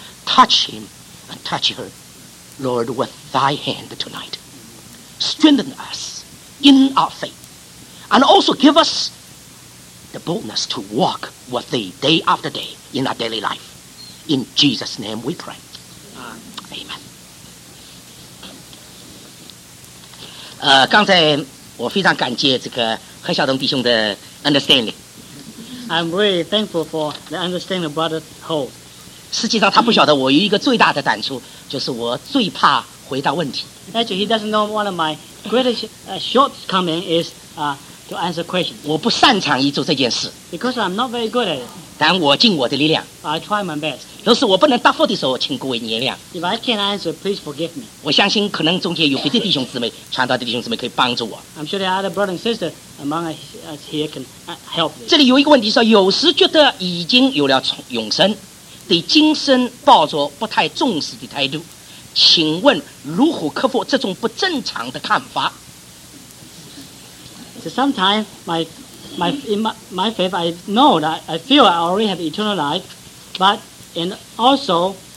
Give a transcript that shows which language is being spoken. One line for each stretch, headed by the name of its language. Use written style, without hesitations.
English: Touch him and touch her. Lord, with thy hand tonight, strengthen us in our faith, and also give us the boldness to walk with thee day after day in our daily life. In Jesus' name we pray. Amen.
Chinese: 刚才我非常感谢这个何晓东弟兄的 understanding.
English: I'm really thankful for the understanding Brother Holt.
Chinese: 实际上他不晓得我有一个最大的胆处，就是我最怕回答问题。
English: Actually, he doesn't know one of my greatest shortcoming is to answer questions.
Chinese: 我不擅长于做这件事。
English: Because I'm not very good at it.
Chinese: 但我尽我的力量。
English: I try my best.
Chinese: 若是我不能答复的时候，请各位原谅。
English: If I can't answer, please forgive me.
Chinese: 我相信可能中间有别的弟兄姊妹，传道的弟兄姊妹可以帮助我。
English: I'm sure there are other brothers and sisters among us here can help me.
Chinese: 这里有一个问题说，有时觉得已经有了永生。对今生抱着不太重视的态度，请问如何克服这种不正常的看法
English: ？So sometimes my faith, I know that I feel I already have eternal life, but and also,